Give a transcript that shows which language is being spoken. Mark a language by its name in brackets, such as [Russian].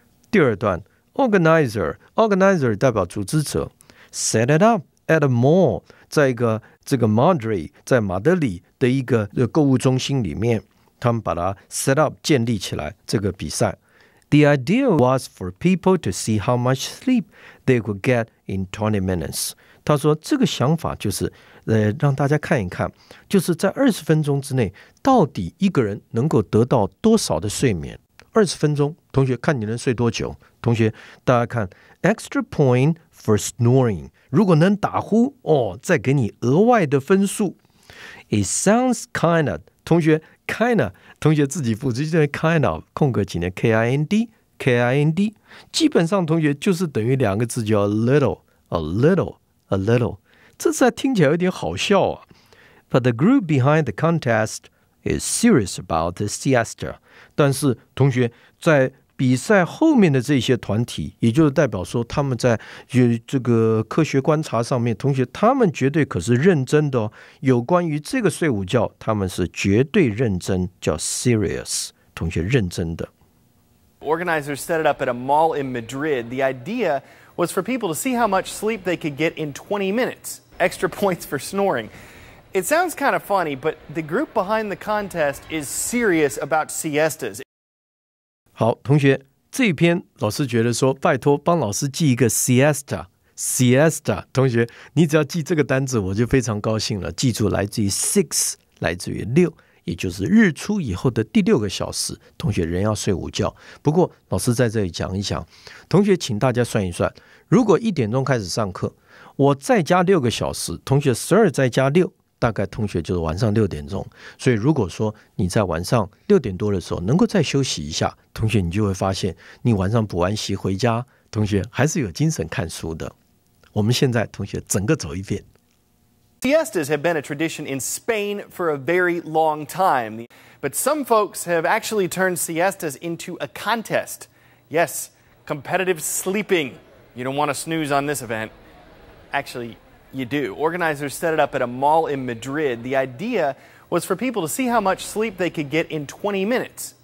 [Chinese] 第二段 ,organizer 代表组织者 , [English] set it up at a mall, [Chinese] 在一个这个 Madrid, 在马德里的一个购物中心里面他们把它 set up, 建立起来这个比赛。 [English] The idea was for people to see how much sleep they could get in 20 minutes. [Chinese] 他说这个想法就是让大家看一看就是在20分钟之内到底一个人能够得到多少的睡眠。 20分钟同学看你能睡多久。同学大家看 [English] extra point for snoring. [Chinese] 如果能打呼哦再给你额外的分数。 [English] It sounds kind of, [Chinese] 同学kind of, 同学自己复制就是 kind of, 空格几年 K-I-N-D, 基本上同学就是等于两个字叫 [English] a little, [Chinese] 这才听起来有点好笑啊。 [English] But the group behind the contest is serious about the siesta. [Chinese] 但是同学在比赛后面的这些团体也就是代表说他们在这个科学观察上面同学他们绝对可是认真的哦有关于这个睡午觉他们是绝对认真叫 serious 同学认真的 [English] Organizers set it up at a mall in Madrid. The idea was for people to see how much sleep they could get in 20 minutes. Extra points for snoring. It sounds kind of funny, but the group behind the contest is serious about siestas. [Chinese] 好同学这一篇老师觉得说拜托帮老师记一个 siesta 同学你只要记这个单字我就非常高兴了记住来自于 six 来自于六也就是日出以后的第六个小时同学人要睡午觉不过老师在这里讲一讲同学请大家算一算如果一点钟开始上课我再加六个小时同学十二再加六大概同学就是晚上六点钟所以如果说你在晚上六点多的时候能够再休息一下同学你就会发现你晚上补完习回家同学还是有精神看书的我们现在同学整个走一遍 [English] Siestas have been a tradition in Spain for a very long time But some folks have actually turned siestas into a contest Yes, competitive sleeping You don't want to snooze on this event Actually,You do. Organizers set it up at a mall in Madrid. The idea was for people to see how much sleep they could get in 20 minutes.